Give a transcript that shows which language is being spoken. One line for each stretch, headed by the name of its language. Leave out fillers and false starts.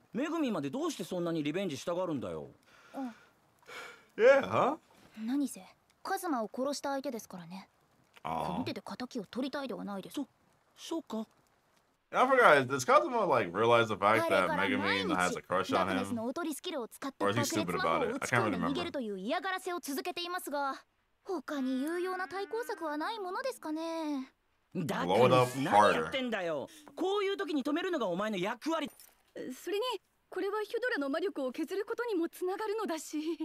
Japanese: めぐみまでどうしてそんなにリベンジしたがるんだよ。う
English: ん。Yeah, huh?
Japanese: 何せカズマを殺した相手ですからね。ああ。この手で敵を取りたいではないです。そうか。
English: I forgot. Does Kazuma like realize the fact that Megumin has a crush on him? Or is he stupid about it? I can't remember.
Japanese: という嫌がらせを続けていますが。他に有用な対抗策はないものですかね。だから何やってんだよ。こういう時に止めるのがお前の役割。それにこれはヒュドラの魔力を削ることにもつながるのだし。